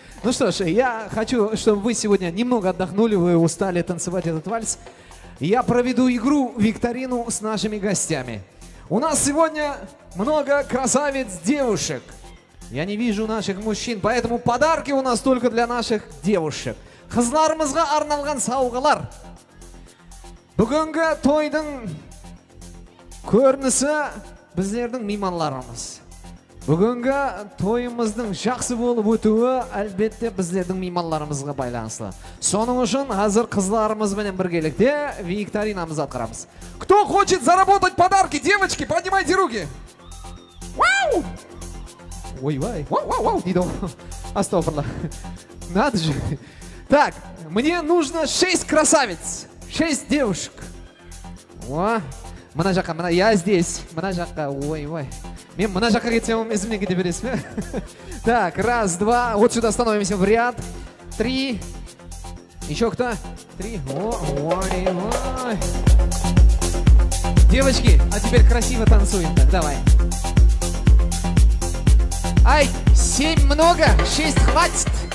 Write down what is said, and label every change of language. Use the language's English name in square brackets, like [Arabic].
[Russian] Ну что ж, я хочу, чтобы вы сегодня немного отдохнули, вы устали танцевать этот вальс. Я проведу игру, викторину с нашими гостями. У нас сегодня много красавиц-девушек. Я не вижу наших мужчин, поэтому подарки у нас только для наших девушек. [Kara-Kalpak] Хызларымызға арналған сауғалар. Бүгінгі тойдың көрінісі біздердің миманларымыз. Бүгінгі тойымыздың жақсы болып өтуі әлбетте біздердің миманларымызға байланысты. Соның үшін қазір қызларымызбен біргелікте викторинамыз атқарамыз. [Russian] Кто хочет заработать подарки, девочки, поднимайте руки. Вау! Ой-вай. Вау-вау-вау. Дейді. Астофырлы. Надо же. Так, мне нужно 6 красавиц. 6 девушек. Уа. [Kara-Kalpak] Мына жаққа, мына, [Russian] я здесь. [Kara-Kalpak] Мына жаққа, ой-ой. Мен мына жаққа кетсем, өзімнен кете бересіз бе? [Russian] Так, раз, два, вот сюда становимся в ряд. Три. Еще кто? Три. Ой-ой-ой. Девочки, а теперь красиво танцуем. Так, давай. Ай, семь много, шесть хватит.